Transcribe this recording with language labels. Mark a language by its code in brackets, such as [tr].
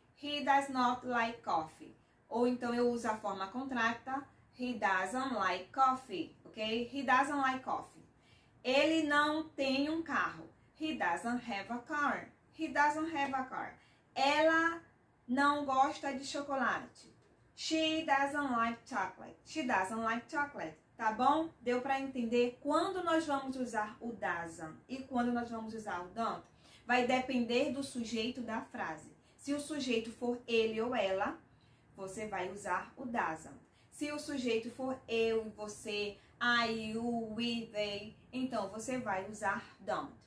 [en] He does not like coffee. [pt] Ou então eu uso a forma contracta. [en] He doesn't like coffee. Ok? He doesn't like coffee. [pt] Ele não tem um carro. [en] He doesn't have a car. He doesn't have a car. [pt] Ela não gosta de chocolate. [en] She doesn't like chocolate. She doesn't like chocolate. [pt] Tá bom? Deu para entender quando nós vamos usar o doesn't e quando nós vamos usar o don't? Vai depender do sujeito da frase. Se o sujeito for ele ou ela, você vai usar o doesn't. Se o sujeito for eu, você, I, you, we, they, então você vai usar don't.